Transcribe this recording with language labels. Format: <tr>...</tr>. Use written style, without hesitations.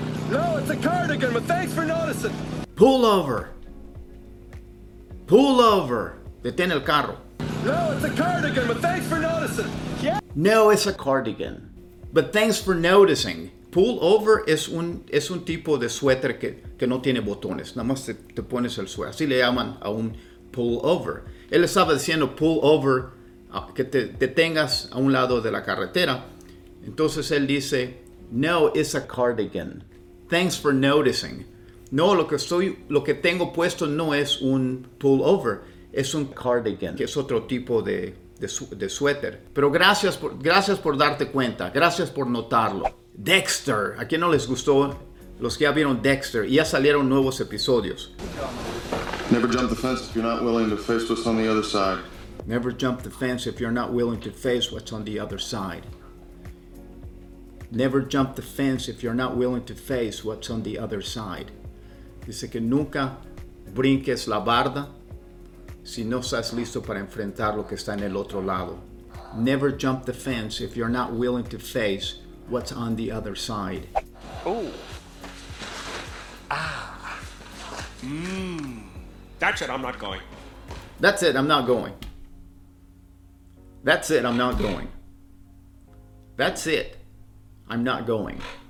<en>No, it's a cardigan, but thanks for noticing. Pull over. Pull over.</en> <es>Detén el carro.</es> <en>No, it's a cardigan, but thanks for noticing. No, it's a cardigan. But thanks for noticing.</en> <es>Pull over es un tipo de suéter que no tiene botones. Nada más te pones el suéter. Así le llaman a un pull over. Él estaba diciendo pull over, que te detengas a un lado de la carretera. Entonces él dice, no,</es> <en>it's a cardigan. Thanks for noticing.</en> <es>No, lo que tengo puesto no es un pull over. Es un cardigan, que es otro tipo de suéter. Pero gracias por darte cuenta. Gracias por notarlo. Dexter. ¿A quién no les gustó? Los que ya vieron Dexter. Y ya salieron nuevos episodios.</es> <en>Never jump the fence if you're not willing to face what's on the other side. Never jump the fence if you're not willing to face what's on the other side. Never jump the fence if you're not willing to face what's on the other side.</en> <es>Dice que nunca brinques la barda si no estás listo para enfrentar lo que está en el otro lado.</es> <en>Never jump the fence if you're not willing to face what's on the other side. Oh. Ah. Mmm. That's it, I'm not going. That's it, I'm not going. That's it, I'm not going. That's it, I'm not going.</en>